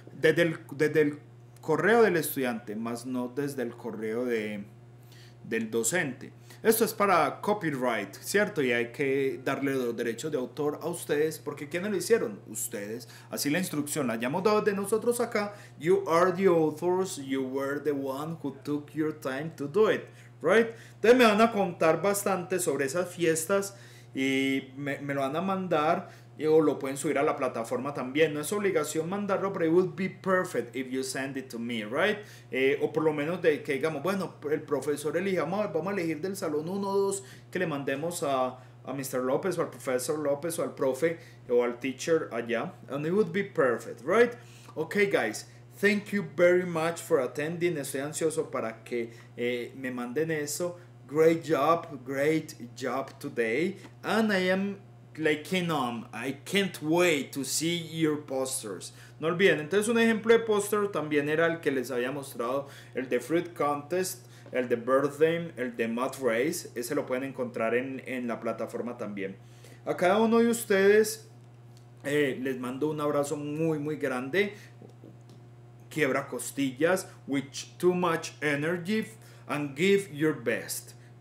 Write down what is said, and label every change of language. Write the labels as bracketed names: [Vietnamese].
[Spanish] Desde el correo del estudiante, más no desde el correo del docente. Esto es para copyright, ¿cierto? Y hay que darle los derechos de autor a ustedes, porque ¿quiénes lo hicieron? Ustedes. Así la instrucción la hayamos dado de nosotros acá. [English] You are the authors, you were the one who took your time to do it, right? [Spanish] Entonces me van a contar bastante sobre esas fiestas y me lo van a mandar, o lo pueden subir a la plataforma también. No es obligación mandarlo, pero [English] it would be perfect if you send it to me, right? [Spanish] O por lo menos de que digamos, bueno, el profesor elija, vamos a elegir del salón 1 o 2 que le mandemos a Mr. López o al profesor López o al profe o al teacher allá. [English] And it would be perfect, right? Okay, guys, thank you very much for attending. [Spanish] Estoy ansioso para que me manden eso. [English] Great job today. And I am clicking on. I can't wait to see your posters. [Spanish] No olviden, entonces un ejemplo de poster también era el que les había mostrado, el de Fruit Contest, el de Birthday, el de Mud Race. Ese lo pueden encontrar en la plataforma también. A cada uno de ustedes les mando un abrazo muy muy grande. Quiebra costillas [English] with too much energy and give your best.